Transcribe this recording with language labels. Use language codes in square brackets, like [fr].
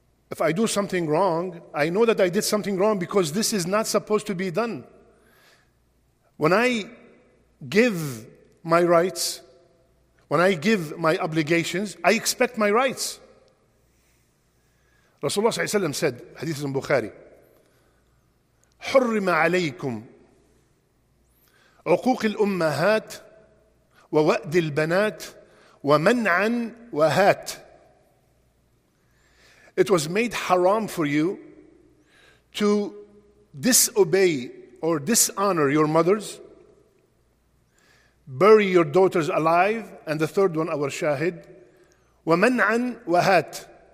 [en] If I do something wrong, I know that I did something wrong because this is not supposed to be done. When I give my rights, when I give my obligations, I expect my rights. [ar] Rasulullah صلى الله عليه وسلم [en] said, hadith in Bukhari, [ar] حُرِّمَ عَلَيْكُمْ عُقُوقِ الْأُمَّهَاتِ وَوَأْدِ الْبَنَاتِ وَمَنْعًا وَهَاتِ. [en] It was made haram for you to disobey or dishonor your mothers, bury your daughters alive, and the third one, our shahid, [ar] وَمَنْعًا وَهَاتْ.